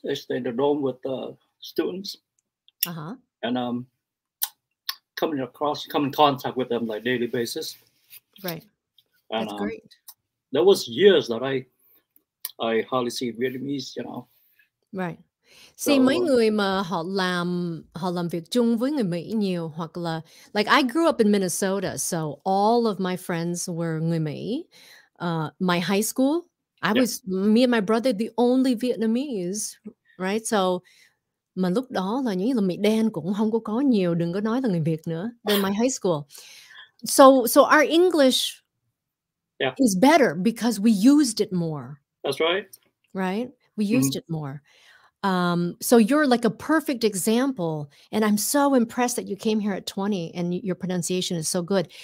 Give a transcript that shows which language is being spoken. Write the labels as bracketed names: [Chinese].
[English] I stay in the dorm with the students. Uh-huh. And coming in contact with them like daily basis. Right. And, that's great. There was years that I hardly see Vietnamese, you know. Right. [Vietnamese] See, mấy người mà họ làm việc chung với người Mỹ nhiều hoặc là, like, [English] I grew up in Minnesota, so all of my friends were [Vietnamese] người Mỹ. [English] My high school, I was, me and my brother, the only Vietnamese, right? [Vietnamese] So, mà lúc đó là những người Mỹ đen cũng không có nhiều, đừng có nói là người Việt nữa, [English] than my high school. So our English is better because we used it more. That's right. Right? We used it more. So you're like a perfect example, and I'm so impressed that you came here at 20 and your pronunciation is so good.